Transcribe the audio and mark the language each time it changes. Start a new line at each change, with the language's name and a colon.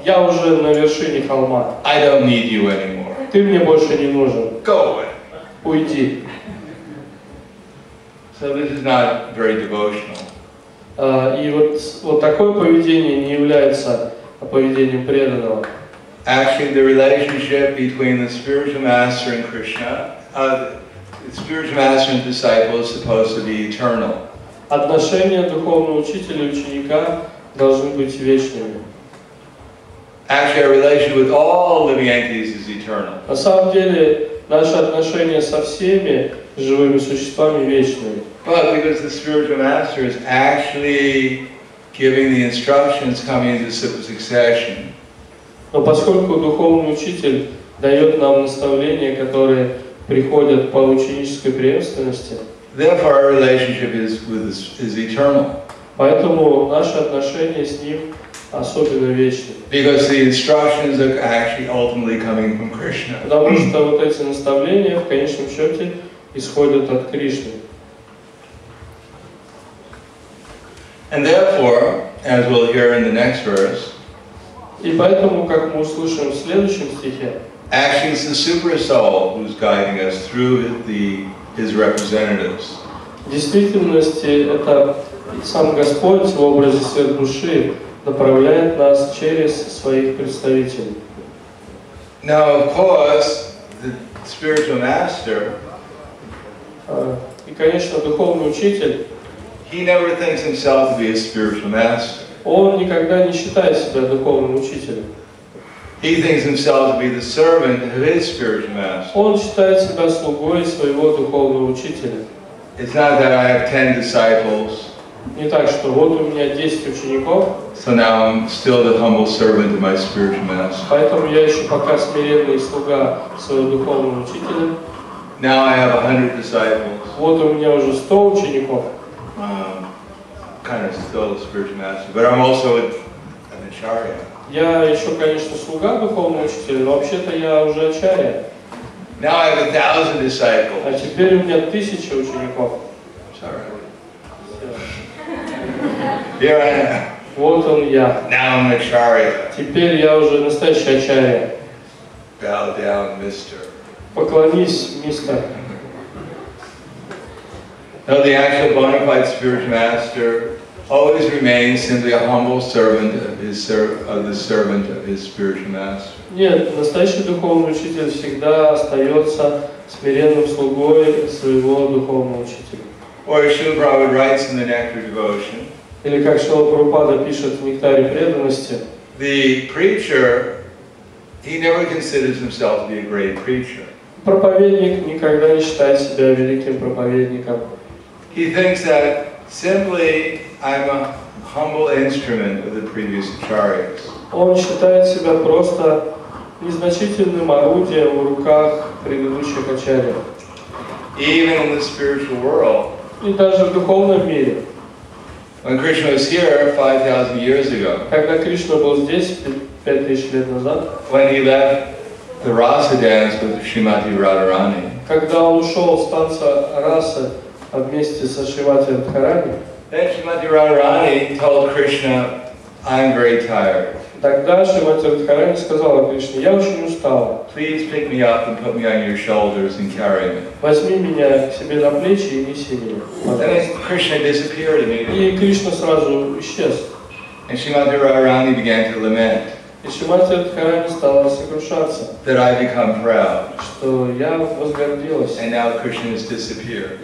Russian: Я уже на вершине холма.
English: I don't need you anymore.
Russian: Ты мне больше не нужен.
English: Go away.
Russian: Уйди».
English: So this is not very devotional.
Russian: И вот такое поведение не является поведением преданного.
English: Actually, the relationship between the spiritual master and Krishna. Spiritual master and disciple is supposed to be eternal.
Russian: Отношения духовного учителя и ученика должны быть вечными.
English: Actually, our relationship with all living entities is eternal.
Russian: На самом деле, наши отношения со всеми живыми существами вечные.
English: But because the spiritual master is actually giving the instructions coming into succession.
Russian: Но поскольку духовный учитель дает нам наставления, которые приходят по ученической преемственности.
English: Therefore, our relationship is eternal.
Russian: Поэтому наши отношения с ним особенно вечны.
English: Because the instructions are actually ultimately coming from Krishna.
Russian: Потому что вот эти наставления в конечном счете исходят от Кришны.
English: And therefore, as we'll hear in the next verse.
Russian: И поэтому, как мы услышим в следующем стихе.
English: Actually, it's the super soul who's guiding us through his representatives.
Russian: Действительности это сам Господь в образе Святой Души направляет нас через своих представителей.
English: Now, of course, the spiritual master.
Russian: И конечно, духовный учитель.
English: He never thinks himself to be a spiritual master.
Russian: Он никогда не считает себя духовным учителем.
English: He thinks himself to be the servant of his spiritual master.
Russian: Он считает себя слугой своего духовного учителя.
English: It's not that I have 10 disciples.
Russian: Не так, что вот у меня 10 учеников.
English: So now I'm still the humble servant of my spiritual master.
Russian: Поэтому я еще пока смиренный слуга своего духовного учителя.
English: Now I have 100 disciples.
Russian: Вот у меня уже 100 учеников.
English: Kind of still a spiritual master, but I'm also an acharya.
Russian: Я еще, конечно, слуга духовного учителя, но вообще-то я уже ачарья.
English: Now I have 1,000 disciples.
Russian: А теперь у меня 1,000 учеников.
English: Sorry. Here I am.
Russian: Вот он я.
English: Now I'm an acharya.
Russian: Теперь я уже настоящий ачарья.
English: Bow down, mister.
Russian: Поклонись, мистер.
English: Now the actual bona fide spiritual master always remains simply a humble servant of his spiritual master.
Russian: Нет, настоящий духовный учитель всегда остается смиренным слугой своего духовного учителя.
English: Or as Śrīla Prabhupāda writes in the Nectar Devotion.
Russian: Или как Шрила Прабхупада пишет в Нектаре преданности.
English: The preacher, he never considers himself to be a great preacher.
Russian: Проповедник никогда не считает себя великим проповедником.
English: He thinks that simply I'm a humble instrument of the previous acharyas.
Russian: Он считает себя просто незначительным орудием в руках предыдущих ачарьев.
English: Even in the spiritual world.
Russian: И даже в духовном мире.
English: When Krishna was here 5,000 years ago.
Russian: Когда Кришна был здесь 5,000 лет назад.
English: When he left the Rasa dance with Shrimati Radharani.
Russian: Когда он ушел с танца Раса вместе со Шримати Радхарани.
English: Then Shrimati Radharani told Krishna, I'm very tired.
Russian: Тогда Шримати Радхарани сказала Кришне, я очень устала.
English: Please pick me up and put me on your shoulders and carry me.
Russian: Возьми меня к себе на плечи и неси меня.
English: Then Krishna disappeared immediately.
Russian: И Кришна сразу исчез.
English: And Shrimati Radharani began to lament.
Russian: И Шримати Радхарани стала сокрушаться.
English: That I become proud.
Russian: Что я возгордилась.
English: And now Krishna has disappeared.